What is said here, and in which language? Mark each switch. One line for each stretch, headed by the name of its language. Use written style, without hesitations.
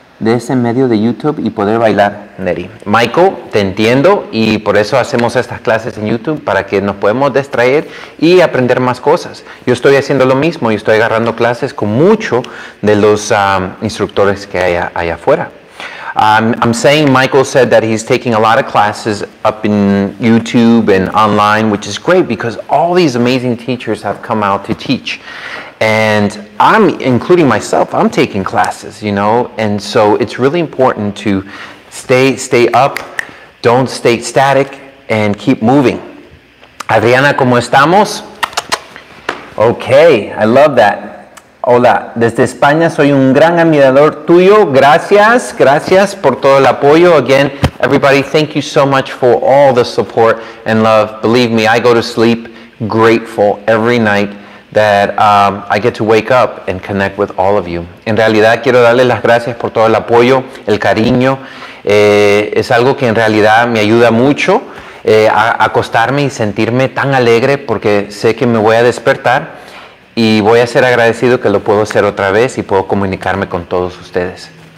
Spanish: de ese medio de YouTube y poder bailar, Neri. Michael, te entiendo y por eso hacemos estas clases en YouTube, para que nos podamos distraer y aprender más cosas. Yo estoy haciendo lo mismo y estoy agarrando clases con mucho de los instructores que hay allá afuera.
English: I'm saying Michael said that he's taking a lot of classes up in YouTube and online, which is great because all these amazing teachers have come out to teach. And I'm, including myself, I'm taking classes, you know, and so it's really important to stay up, don't stay static, and keep moving. Adriana,
Spanish: ¿cómo estamos?
English: Okay, I love that.
Spanish: Hola, desde España soy un gran admirador tuyo. Gracias, gracias por todo el apoyo.
English: Again, everybody, thank you so much for all the support and love. Believe me, I go to sleep grateful every night that I get to wake up and connect with all of you.
Spanish: En realidad, quiero darles las gracias por todo el apoyo, el cariño. Es algo que en realidad me ayuda mucho a acostarme y sentirme tan alegre porque sé que me voy a despertar y voy a ser agradecido que lo puedo hacer otra vez y puedo comunicarme con todos ustedes.